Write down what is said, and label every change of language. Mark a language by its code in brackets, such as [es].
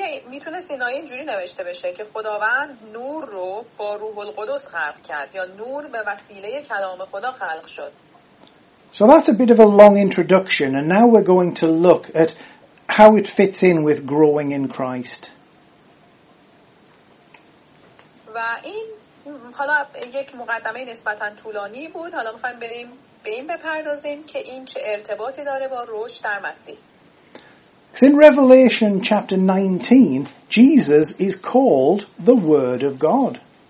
[fa] میتونست اینا اینجوری نوشته بشه که خداوند نور رو با روح القدس خلق کرد یا نور به وسیله کلام خدا خلق شد. [en] So that's a bit of a long introduction and now we're going to look at how it fits in with growing in Christ. [fa] و این حالا یک مقدمه نسبتا طولانی بود، حالا میخوایم بریم به این بپردازیم که این چه ارتباطی داره با رشد در مسیح. [en] Because in Revelation chapter 19, Jesus is called the Word of God.